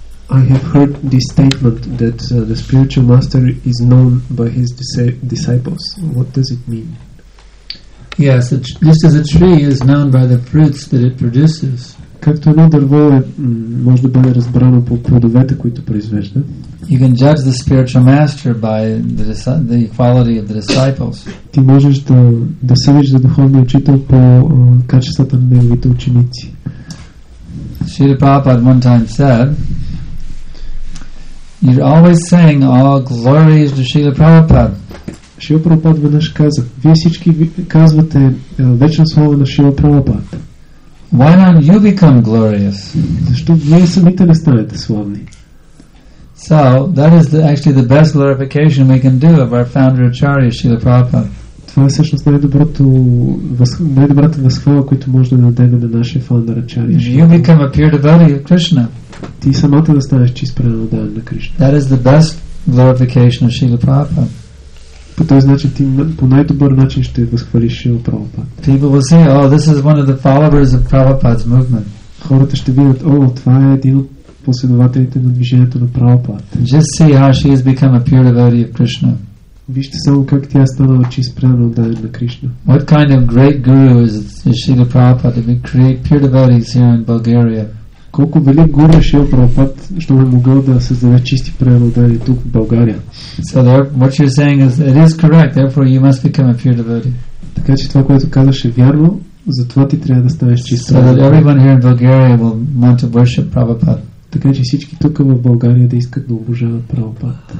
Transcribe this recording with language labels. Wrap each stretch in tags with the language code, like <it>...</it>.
<en>I have heard this statement that the spiritual master is known by his disciples. What does it mean? Yes, just as a tree is known by the fruits that it produces.</en> <bg>Както едно дърво може да бъде разбрано по плодовете, които произвежда.</bg> <en>You can judge the spiritual master by the quality of the disciples.</en> <bg>Ти можеш да съдиш за духовния учител по качествата на неговите ученици.</bg> <en>Srila Prabhupada one time said, you're always saying all glories to Srila Prabhupada.</en> <bg>Srila Prabhupada веднъж каза, вие всички казвате вечна слава на Srila Prabhupada.</bg> <en>Why don't you become glorious?</en> <bg>Защо вие самите не станете славни?</bg> <en>So, that is actually the best glorification we can do of our founder Acharya Srila Prabhupada.</en> <bg>Това е всъщност най-добрата възхвала, която може да дадем на нашия фаундър Ачария.</bg> <en>You become a pure devotee of Krishna.</en> <bg>Ти самата да станеш чист предаден на Кришна.</bg> <en>That is the best glorification of Srila Prabhupada.</en> <bg>По този начин ти по най-добър начин ще възхвалиш Srila Prabhupada.</bg> <en>People will say, oh, this is one of the followers of Prabhupada's movement.</en> <bg>Хората ще видят, о, това е един от последователите на движението на Prabhupada.</bg> <en>Just see how she has become a pure devotee of Krishna.</en> <bg>Вижте само как тя станала чист предаден на Кришна.</bg> <en>What kind of great guru is Srila Prabhupada to create pure devotees here in Bulgaria?</en> <bg>Колко велик гуру е Шрила Прабхупада, що е могъл да създаде чисти преводари тук в България.</bg> <en>So there, what you're saying is, it is correct, therefore you must become a pure devotee.</en> <bg>Така че това, което казваш, е вярно, затова ти трябва да ставиш чист преводари.</bg> <en>So that everyone here in Bulgaria will want to worship Prabhupada.</en> <bg>Така че всички тук в България да искат да обожават Прабхупада.</bg>